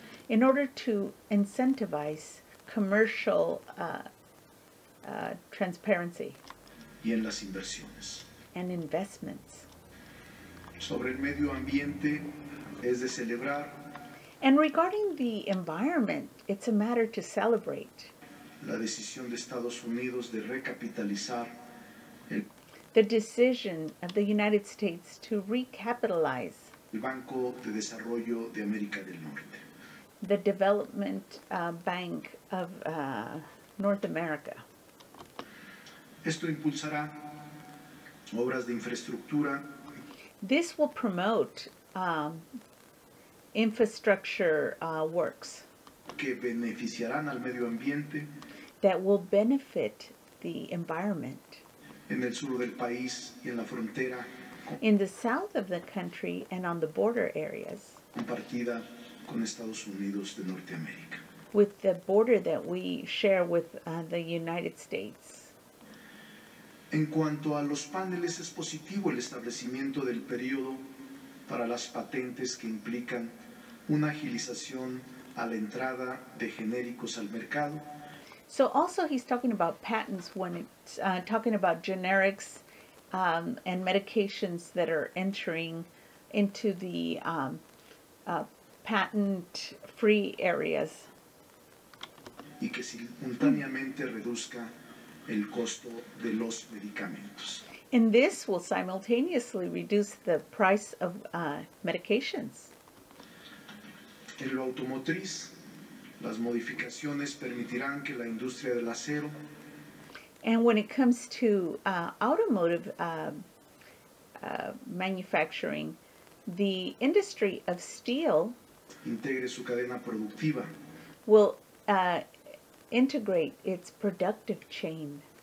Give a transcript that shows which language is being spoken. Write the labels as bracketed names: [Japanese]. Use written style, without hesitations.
[English] In order to incentivize commercial transparency. [Spanish] Y en las inversiones. [English] And investments. [Spanish] Sobre el medio ambiente. Es de celebrar. [English] And regarding the environment, it's a matter to celebrate. [Spanish] La decisión de Estados Unidos de recapitalizar el [English] the decision of the United States to recapitalize [Spanish] el Banco de Desarrollo de América del Norte. [English] The Development Bank of North America. [Spanish] Esto impulsará obras de infraestructura. [English] This will promote infrastructure works [Spanish] que beneficiarán al medio ambiente [English] that will benefit the environment [Spanish] en el sur del país y en la frontera [English] in the south of the country and on the border areas [Spanish] compartida con Estados Unidos de Norteamérica [English] with the border that we share with the United States. [Spanish] En cuanto a los paneles, es positivo el establecimiento del periodo para las patentes que implican una agilización a la entrada de genéricos al mercado. [English] So also he's talking about patents when it's talking about generics and medications that are entering into the patent-free areas. [Spanish] Y que simultáneamente reduzca el costo de los medicamentos. [English] And this will simultaneously reduce the price of medications. [Spanish] En lo automotriz, las modificaciones permitirán que la industria del acero. [English] And when it comes to automotive manufacturing, the industry of steel [Spanish] integre su cadena productiva. [English] Will integrate its productive chain.